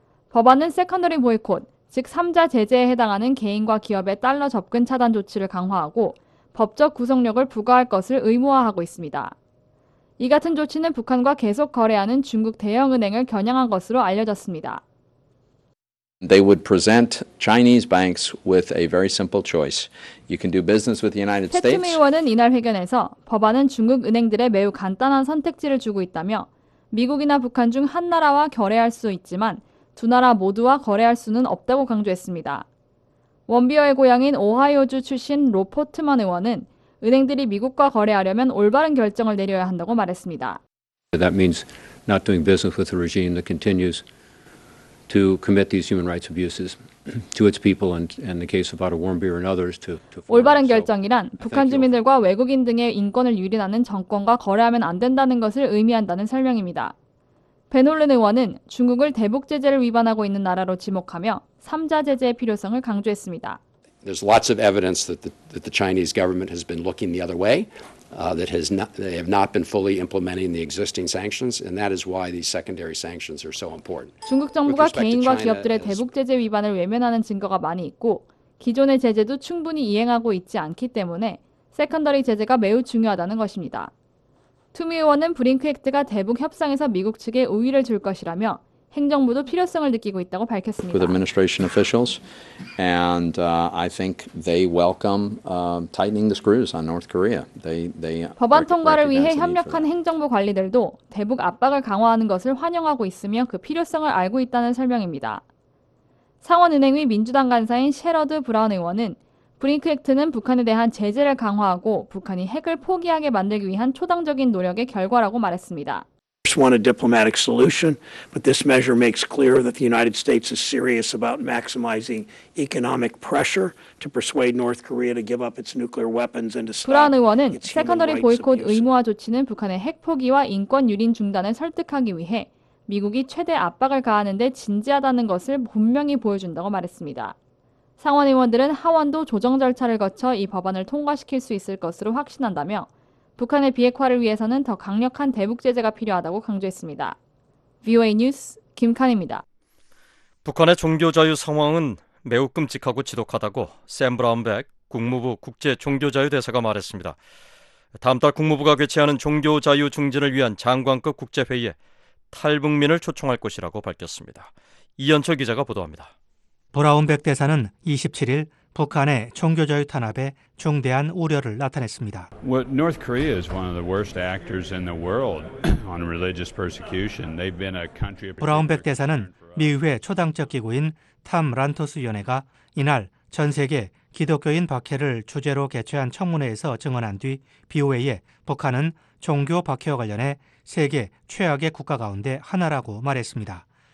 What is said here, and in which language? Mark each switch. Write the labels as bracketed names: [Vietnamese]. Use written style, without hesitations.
[Korean] 법안은 세컨더리 보이콧, 즉 3자 제재에 해당하는 개인과 기업의 달러 접근 차단 조치를 강화하고 법적 구속력을 부과할 것을 의무화하고 있습니다. 이 같은 조치는 북한과 계속 거래하는 중국 대형은행을 겨냥한 것으로 알려졌습니다. [English] They would present Chinese banks with a very simple choice. You can do business with the United States. [Korean] 패트미 의원은 이날 회견에서 법안은 중국 은행들에 매우 간단한 선택지를 주고 있다며 미국이나 북한 중 한 나라와 거래할 수 있지만 두 나라 모두와 거래할 수는 없다고 강조했습니다. 원비어의 고향인 오하이오주 출신 로 포트먼 의원은 은행들이 미국과 거래하려면 올바른 결정을 내려야 한다고 말했습니다. [English] That means not doing business with a regime that continues to commit these human rights abuses to its people and in the case of Otto Warmbier and others to [Korean] 올바른 결정이란 북한 주민들과 외국인 등의 인권을 유린하는 정권과 거래하면 안 된다는 것을 의미한다는 설명입니다. 벤홀른 의원은 중국을 대북 제재를 위반하고 있는 나라로 지목하며 3자 제재의 필요성을 강조했습니다. [English] There's lots of evidence that the Chinese government has been looking the other way. They have not been fully implementing the existing sanctions, and that is why these secondary sanctions are so important. [Korean] 중국 정부가 개인과 기업들의 대북 제재 위반을 외면하는 증거가 많이 있고 기존의 제재도 충분히 이행하고 있지 않기 때문에 세컨더리 제재가 매우 중요하다는 것입니다. 투미 의원은 브링크 액트가 대북 협상에서 미국 측에 우위를 줄 것이라며 행정부도 필요성을 느끼고 있다고 밝혔습니다. [English] With administration officials, and I think they welcome tightening the screws on North Korea. They [Korean] 법안 통과를 위해 협력한 행정부 관리들도 대북 압박을 강화하는 것을 환영하고 있으며 그 필요성을 알고 있다는 설명입니다. 상원은행의 민주당 간사인 셰러드 브라운 의원은 브링크 액트는 북한에 대한 제재를 강화하고 북한이 핵을 포기하게 만들기 위한 초당적인 노력의 결과라고 말했습니다. [English] I want a diplomatic solution, but this measure makes clear that the United States is serious about maximizing economic pressure to persuade North Korea to give up its nuclear weapons and to stop. [Korean] 브라운 의원은 세컨더리 보이콧 의무화 조치는 북한의 핵 포기와 인권 유린 중단을 설득하기 위해 미국이 최대 압박을 가하는 데 진지하다는 것을 분명히 보여준다고 말했습니다. 상원 의원들은 하원도 조정 절차를 거쳐 이 법안을 통과시킬 수 있을 것으로 확신한다며 북한의 비핵화를 위해서는 더 강력한 대북 제재가 필요하다고 강조했습니다. VOA 뉴스 김칸입니다. 북한의 종교 자유 상황은 매우 끔찍하고 지독하다고 샘 브라운백 국무부 국제 종교 자유 대사가 말했습니다. 다음 달 국무부가 개최하는 종교 자유 증진을 위한 장관급 국제 회의에 탈북민을 초청할 것이라고 밝혔습니다. 이현철 기자가 보도합니다. 브라운백 대사는 27일 북한의 종교 자유 탄압에 중대한 우려를 나타냈습니다. [English] Well, North Korea is one of the worst actors in the world on religious persecution. They've been a country of [Korean] 브라운백 대사는 미회 초당적 기구인 탐 란토스 위원회가 이날 전 세계 기독교인 박해를 주제로 개최한 청문회에서 증언한 뒤 BOA에 북한은 종교 박해와 관련해 세계 최악의 국가 가운데 하나라고 말했습니다.